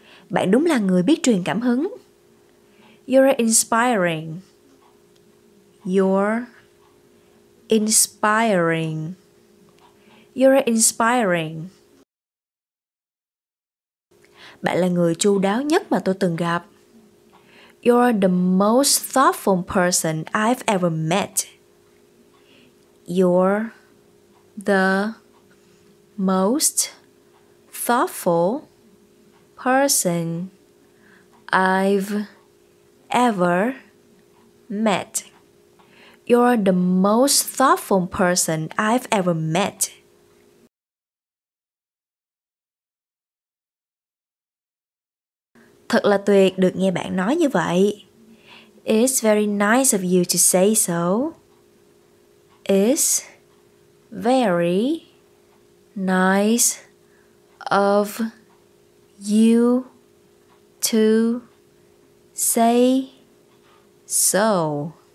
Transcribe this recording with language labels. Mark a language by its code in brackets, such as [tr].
[vi] Bạn đúng là người biết truyền cảm hứng. [en] You're inspiring. You're inspiring. You're inspiring. [vi] Bạn là người chu đáo nhất mà tôi từng gặp. [en] You're the most thoughtful person I've ever met. You're the most thoughtful person I've ever met. You're the most thoughtful person I've ever met. [vi] Thật là tuyệt được nghe bạn nói như vậy. [en] It's very nice of you to say so. It's very nice of you to say so.